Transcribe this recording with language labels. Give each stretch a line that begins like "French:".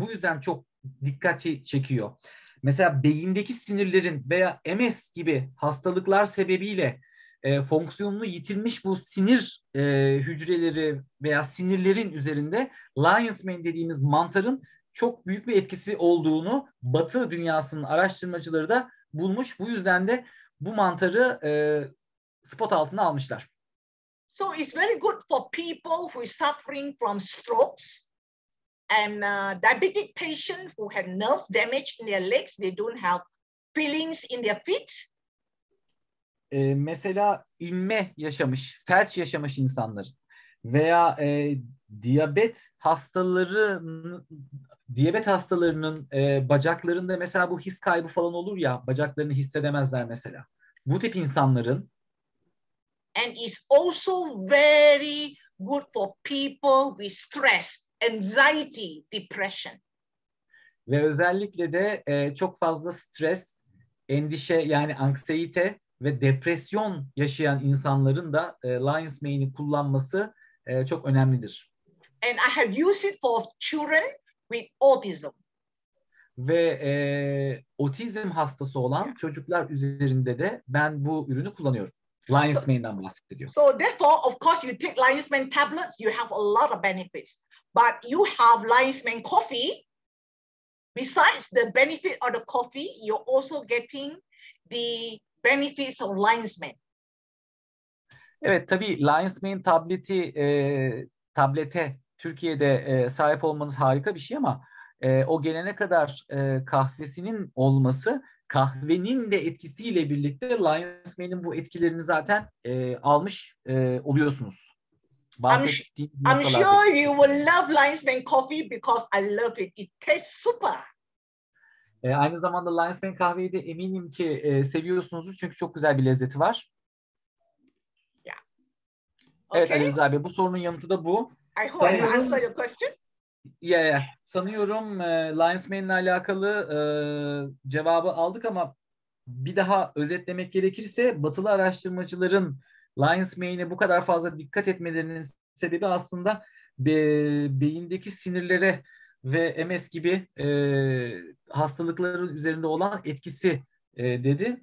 Turkish: Bu yüzden çok dikkati çekiyor. Mesela beyindeki sinirlerin veya MS gibi hastalıklar sebebiyle fonksiyonunu yitirmiş bu sinir hücreleri veya sinirlerin üzerinde Lion's Mane dediğimiz mantarın çok büyük bir etkisi olduğunu Batı dünyasının araştırmacıları da bulmuş. Bu yüzden de bu mantarı spot altına almışlar.
English: So it's very good for people who are suffering from strokes and diabetic patient who have nerve damage in their legs, they don't have feelings in their feet.
Turkish: Mesela inme yaşamış, felç yaşamış insanların veya diyabet hastalarının diyabet hastalarının bacaklarında mesela bu his kaybı falan olur ya, bacaklarını hissedemezler mesela. Bu tip insanların.
English: And it's also very good for people with stress, anxiety, depression.
Turkish: Ve özellikle de çok fazla stres, endişe yani anksiyete ve depresyon yaşayan insanların da lion's mane'i kullanması çok önemlidir.
English: And I have used it for children with autism.
Turkish: Ve otizm hastası olan çocuklar üzerinde de ben bu ürünü kullanıyorum. Lion's mane'den bahsediyor.
English: So therefore, of course, you take lion's mane tablets, you have a lot of benefits. But you have lion's mane coffee. Besides the benefit of the coffee, you're also getting the benefits of lion's mane.
Turkish: Evet, tabii lion's mane tableti tablete Türkiye'de sahip olmanız harika bir şey ama o gelene kadar kahvesinin olması, kahvenin de etkisiyle birlikte lion's mane'in bu etkilerini zaten almış oluyorsunuz.
English: I'm sure you will love lion's mane coffee because I love it. It tastes super.
Turkish: Aynı zamanda lion's mane kahveyi de eminim ki seviyorsunuzdur çünkü çok güzel bir lezzeti var.
English: Yeah.
Turkish: Evet, okay. Aliz abi, bu sorunun yanıtı da bu.
English: I hope
Turkish: sanıyorum,
English: I answer your question. Yeah.
Turkish: Sanıyorum lion's mane'le alakalı cevabı aldık ama bir daha özetlemek gerekirse batılı araştırmacıların lion's mane'e bu kadar fazla dikkat etmelerinin sebebi aslında beyindeki sinirlere ve MS gibi hastalıkların üzerinde olan etkisi dedi.